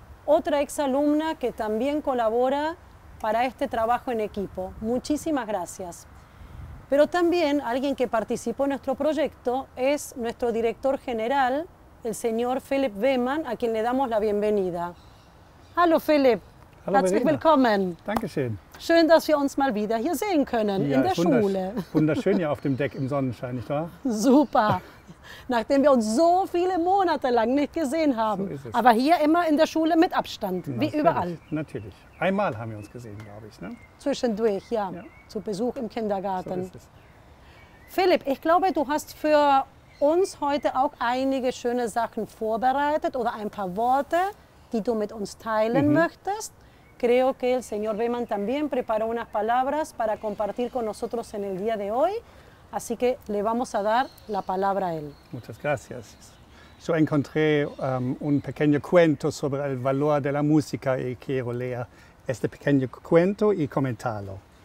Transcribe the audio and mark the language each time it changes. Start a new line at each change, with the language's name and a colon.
Spanish: Otra exalumna que también colabora para este trabajo en equipo. Muchísimas gracias. Pero también alguien que participó en nuestro proyecto es nuestro director general, el señor Philip Wehmann, a quien le damos la bienvenida.
German: Hallo Philip. Hallo, herzlich willkommen. Dankeschön. Schön, dass wir uns mal wieder hier sehen können, ja, in der Schule. Wunderschön hier auf dem Deck im Sonnenschein, nicht wahr? Super. Nachdem wir uns so viele Monate lang nicht gesehen haben. So ist es. Aber hier immer in der Schule mit Abstand, na, wie überall. Natürlich. Einmal haben wir uns gesehen, glaube ich. Ne? Zwischendurch, ja. Zu Besuch im Kindergarten. So ist es. Philip, ich glaube, du hast für uns heute auch einige schöne Sachen vorbereitet oder ein paar Worte, die du mit uns teilen möchtest.
Spanish: Creo que el señor Wehmann también preparó unas palabras para compartir con nosotros en el día de hoy. Así que le vamos a dar la palabra a él. Muchas gracias. Yo encontré un pequeño cuento sobre el valor de la música y quiero leer este pequeño cuento y comentarlo.